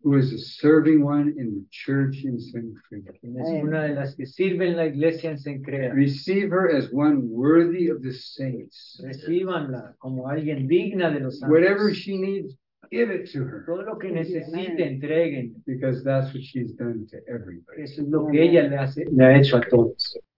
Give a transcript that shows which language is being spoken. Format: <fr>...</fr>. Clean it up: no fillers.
<en>Who is a serving one in the church in Sencrea.</en> <es>Es una de las que sirve en la iglesia en Sencrea.</es> <en>Receive her as one worthy of the saints.</en> <es>Recíbanla como alguien digna de los santos.</es> <en>Whatever she needs, give it to her.</en> <es>Todo lo que necesite, entreguen.</es> <en>Because that's what she's done to everybody.</en> <es>Eso es lo que ella le ha hecho a todos.</es>